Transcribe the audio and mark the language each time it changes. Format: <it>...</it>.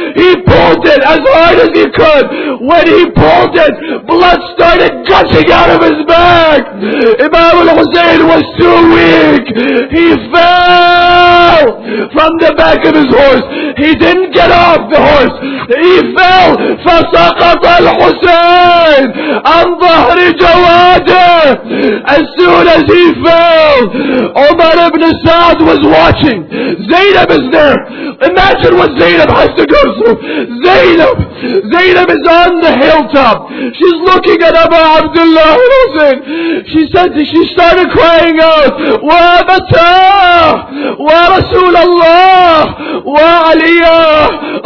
<en>He pulled it as hard as he could. When he pulled it, blood started gushing out of his back. Imam al-Hussein was too weak. He fell from the back of his horse. He didn't get off the horse. He fell.</en> <ar>فسقط الحسين عن ظهر جواده.</ar> <en>As soon as he fell, Umar ibn Sa'd was watching. Zainab is there. Imagine what Zainab has to go through. Zainab is on the hilltop. She's looking at Abu Abdullah al-Hussein. She started crying out,</en> <ar>"Wa Abata, wa Rasulallah, wa Aliyah.</ar>